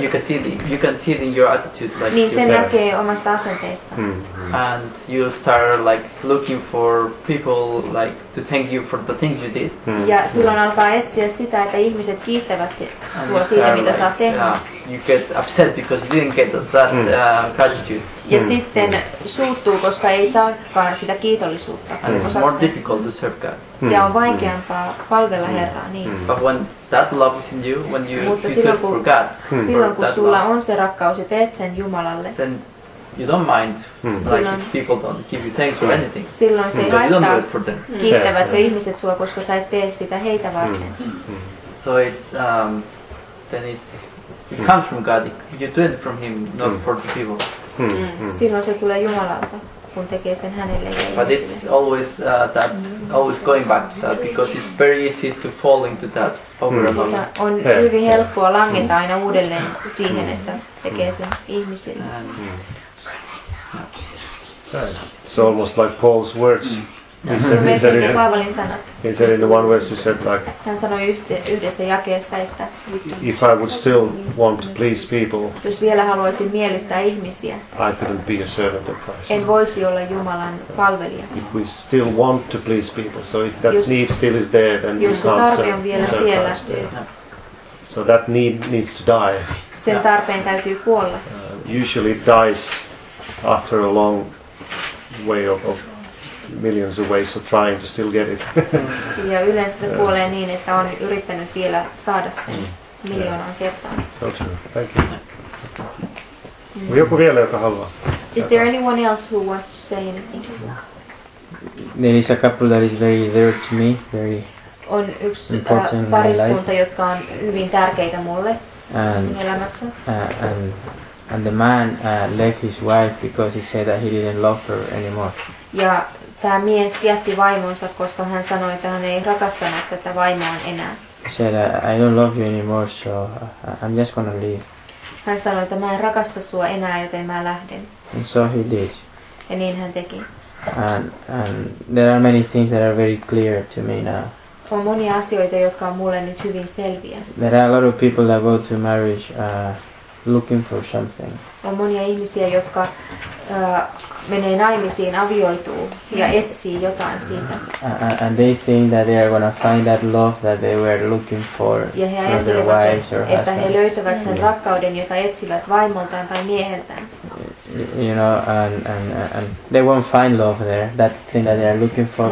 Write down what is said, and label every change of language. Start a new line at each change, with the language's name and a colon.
English: You can see it in your attitude, like
Finnish: niin sen näkee omasta asenteesta.
English: And you start like looking for people like to thank you for the things you did.
Finnish: Ja silloin alkaa etsiä sitä, että ihmiset kiittävät sinua siitä, mitä saa tehdä.
English: You get upset because you didn't get that gratitude.
Finnish: Ja sitten suuttuu, koska ei saakaan sitä kiitollisuutta.
English: And it's more difficult to serve God.
Finnish: Ja on vaikeampaa palvella Herraa, niin.
English: But when that love is in you, when you feel for God,
Finnish: silloin kun sulla on se rakkaus ja teet sen Jumalalle,
English: then you don't mind like if people don't give you thanks or anything.
Finnish: Silloin se ei haittaa,
English: do
Finnish: kiittävätkö ihmiset sua, koska sä et tee sitä heitä varten.
English: So it's, then it's, it comes from God, you do it from Him, not for the people.
Finnish: Silloin se tulee Jumalalta. Kun tekee sen hänelle ja
English: but it's always that always going back to that because it's very easy to fall into that over and over.
Finnish: On hyvin helppoa langeta aina uudelleen siihen, että tekee sen ihmisille.
English: It's almost like Paul's words. He said in the one verse, he said like,
Finnish: hän sanoi yhdessä jakeessa, että
English: if I would still want to please people,
Finnish: jos vielä haluaisin miellyttää ihmisiä,
English: I couldn't be a servant of Christ.
Finnish: En voisi olla Jumalan palvelija.
English: If we still want to please people, so if that need still is there, then you can't serve Christ. So that need needs to die.
Finnish: Sen tarpeen täytyy kuolla.
English: Usually it dies after a long way of millions of ways of trying to still get it.
Finnish: Ja yleensä kuolee niin, että on yrittänyt vielä saada sen miljoonaan kertaan.
English: So true. Thank you.
Finnish: Joku vielä, joka haluaa?
English: Is there anyone else who wants to say anything? there is a couple that is very dear to me, very
Finnish: on yksi important pariskunta, jotka on hyvin tärkeitä mulle elämässä.
English: And the man left his wife because he said that he didn't love her anymore.
Finnish: Ja tämä mies jätti vaimonsa, koska hän sanoi, että hän ei rakastanut tätä vaimoa enää.
English: He said, I don't love you anymore, so I'm just gonna leave.
Finnish: Hän sanoi, että mä en rakasta sua enää, joten mä lähden.
English: And so he did.
Finnish: Ja niin hän teki.
English: And there are many things that are very clear to me now.
Finnish: On monia asioita, jotka on mulle nyt hyvin selviä.
English: There are a lot of people that go to marriage looking for something.
Finnish: On monia ihmisiä, jotka menee naimisiin, avioituu ja etsii jotain siitä.
English: And they think that they are going to find that love that they were looking for from their wives or husbands.
Finnish: Että he löytävät sen rakkauden, jota etsivät vaimoltaan tai mieheltään.
English: You know, and they won't find love there, that thing that they are looking for,